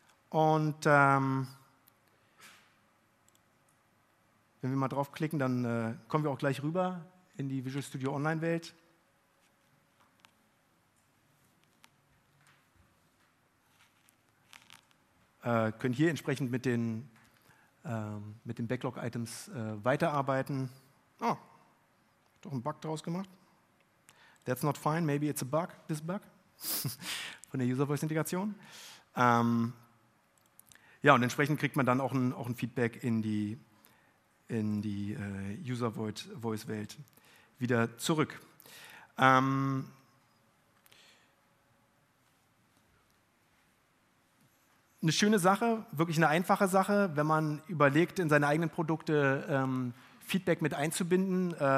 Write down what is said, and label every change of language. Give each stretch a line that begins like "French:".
German: Und wenn wir mal draufklicken, dann kommen wir auch gleich rüber in die Visual Studio Online-Welt. Können hier entsprechend mit den Backlog-Items weiterarbeiten. Oh, doch einen Bug draus gemacht.
English: That's not fine, maybe it's a bug, this bug.
German: Von der User-Voice-Integration. Und entsprechend kriegt man dann auch ein Feedback in die User-Voice-Welt wieder zurück. Eine schöne Sache, wirklich eine einfache Sache, wenn man überlegt, in seine eigenen Produkte Feedback mit einzubinden.